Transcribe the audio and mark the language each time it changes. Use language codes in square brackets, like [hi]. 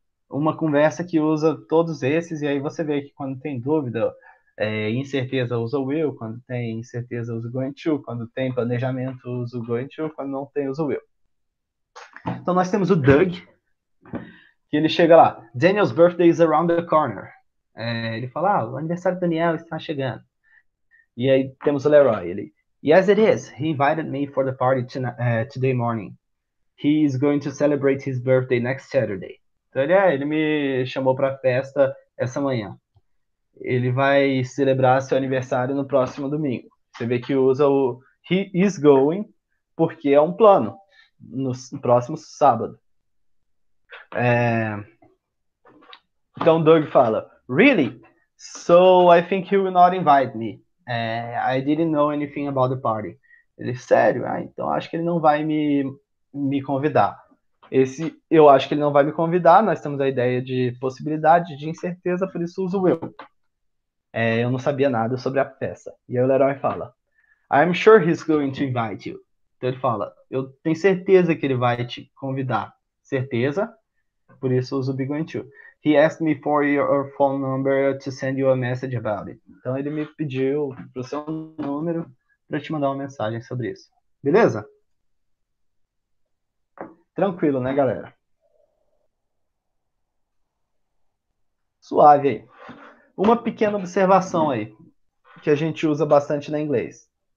[pt] Uma conversa que usa todos esses, e aí você vê que quando tem dúvida, incerteza, usa o will, quando tem incerteza, usa o going to, quando tem planejamento, usa o going to, quando não tem, usa o will. Então nós temos o Doug, que ele chega lá. [en] Daniel's birthday is around the corner. [pt] Ele fala, ah, o aniversário do Daniel está chegando. E aí temos o Leroy, ele, [en] yes it is, he invited me for the party today morning. He is going to celebrate his birthday next Saturday. [pt] Então, ele me chamou para a festa essa manhã. Ele vai celebrar seu aniversário no próximo domingo. Você vê que usa o he is going, porque é um plano, no próximo sábado. Então, Doug fala, [en] Really? So I think you will not invite me. I didn't know anything about the party. [pt] Ele, sério? Ah, então acho que ele não vai me convidar. Esse, eu acho que ele não vai me convidar. Nós temos a ideia de possibilidade de incerteza, por isso uso will. Eu não sabia nada sobre a peça. E aí o Leroy fala: [en] I'm sure he's going to invite you. [pt] Então ele fala: Eu tenho certeza que ele vai te convidar. Certeza? Por isso uso be going to. [en] He asked me for your phone number to send you a message about it. [pt] Então ele me pediu pro seu número para te mandar uma mensagem sobre isso. Beleza? Tranquilo, né, galera? Suave aí. Uma pequena observação aí, que a gente usa bastante no inglês.